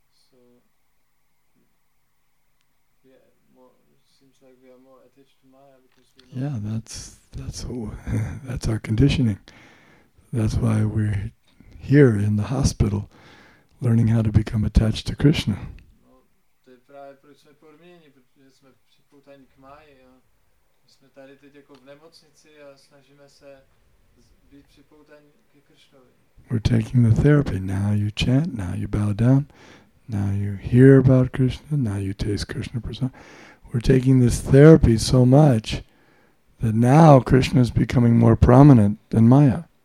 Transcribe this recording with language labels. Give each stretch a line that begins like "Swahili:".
English: So it seems like we are more attached to Maya because we know. Yeah, that's our conditioning. That's why we're here in the hospital learning how to become attached to Krishna.
Czech: No, to je právě proč jsme podmíněni, protože jsme připoutaní k Máji. My jsme tady teď jako v nemocnici a snažíme se být připoutaní ke Krishnovi.
English: We're taking the therapy. Now you chant, now you bow down, now you hear about Krishna, now you taste Krishna prasad. We're taking this therapy so much that now Krishna is becoming more prominent than Maya.